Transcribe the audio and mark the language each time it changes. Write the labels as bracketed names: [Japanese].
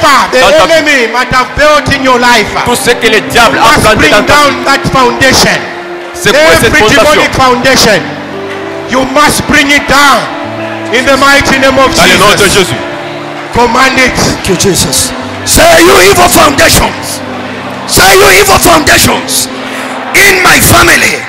[English] Whatever the enemy might have built in your life. [French] Tout ce que le diable a planté dans ta vie. [English] Must bring down that foundation. Every demonic foundation, you must bring it down in the mighty name of Jesus. Command it to Jesus. Say you evil foundations. Say you evil foundations in my family.